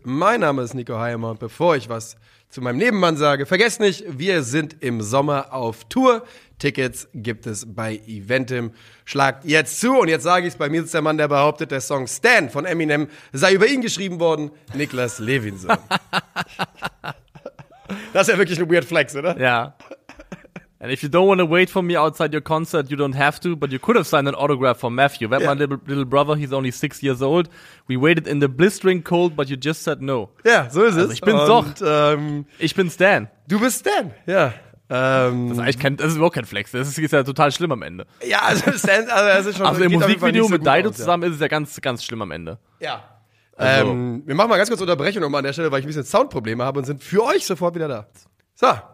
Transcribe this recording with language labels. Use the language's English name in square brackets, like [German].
[German] Mein Name ist Nico Heimer. Und bevor ich was zu meinem Nebenmann sage, vergesst nicht, wir sind im Sommer auf Tour. Tickets gibt es bei Eventim. Schlagt jetzt zu. Und jetzt sage ich es, bei mir ist der Mann, der behauptet, der Song Stan von Eminem sei über ihn geschrieben worden, Niklas Levinson. Das ist ja wirklich ein weird flex, oder? Ja. [English] And if you don't want to wait for me outside your concert, you don't have to, but you could have signed an autograph for Matthew. That's my little brother, he's only 6 years old. We waited in the blistering cold, but you just said no. [German] Ja, yeah, so ist also es. Ich bin doch. Ich bin Stan. Du bist Stan, ja. Das ist eigentlich das ist überhaupt kein Flex. Das ist ja total schlimm am Ende. Ja, also Stan, also das ist schon. Also im Musikvideo so mit Dido zusammen ist es ja ganz, ganz schlimm am Ende. Ja. Also. Wir machen mal ganz kurz Unterbrechung nochmal an der Stelle, weil ich ein bisschen Soundprobleme habe und sind für euch sofort wieder da. So.